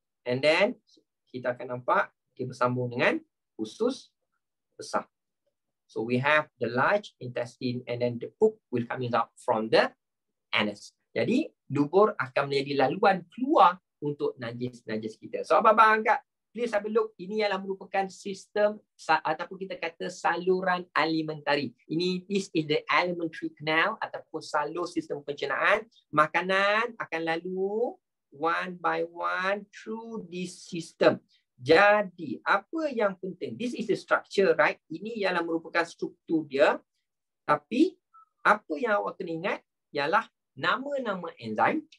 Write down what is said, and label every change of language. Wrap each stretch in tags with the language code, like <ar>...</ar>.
<en>And then</en> <ms>kita akan nampak dia bersambung dengan usus besar.</ms> <en>So we have the large intestine and then the poop will coming out from the anus.</en> <ms>Jadi dubur akan menjadi laluan keluar untuk najis-najis kita. So abang-abang angkat.</ms> <en>Please have a look.</en> <ms>Ini adalah merupakan sistem ataupun kita kata saluran alimentari. Ini,</ms> <en>this is the alimentary canal</en> <ms>ataupun salur sistem pencernaan. Makanan akan lalu</ms> <en>one by one through this system.</en> <ms>Jadi, apa yang penting?</ms> <en>This is the structure, right?</en> <ms>Ini ialah merupakan struktur dia. Tapi, apa yang awak kena ingat ialah nama-nama enzim.</ms>